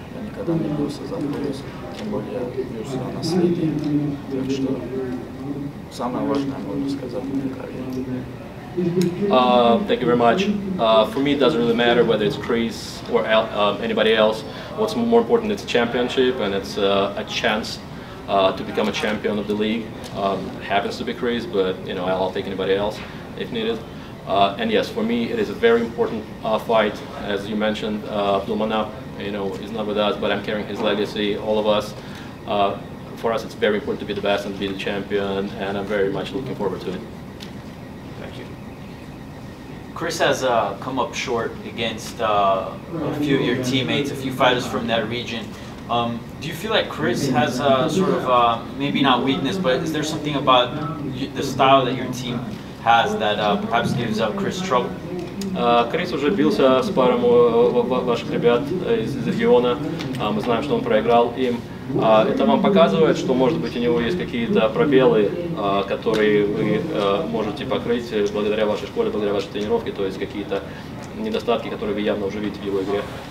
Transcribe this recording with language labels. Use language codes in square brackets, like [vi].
[ru] Я никогда не бился за Крис. Тем более, я бился на наследие. Так что самое важное, можно сказать, в моей карьере. [en] Thank you very much. For me, it doesn't really matter whether it's Chris or anybody else. What's more important, it's a championship, and it's a chance to become a champion of the league. Happens to be Chris, but you know, I'll take anybody else if needed. And yes, for me, it is a very important fight. As you mentioned, Abdulmanap, you know, is not with us, but I'm carrying his legacy, all of us. For us, it's very important to be the best and be the champion, and I'm very much looking forward to it. Chris has come up short against a few of your teammates, a few fighters from that region. Do you feel like Chris has a sort of, maybe not weakness, but is there something about the style that your team has that perhaps gives Chris trouble? [ru] Крис уже бился с паром ваших ребят из региона. Мы знаем, что он проиграл им. Это вам показывает, что, может быть, у него есть какие-то пробелы, которые вы можете покрыть благодаря вашей школе, благодаря вашей тренировке, то есть какие-то недостатки, которые вы явно уже видите в его игре.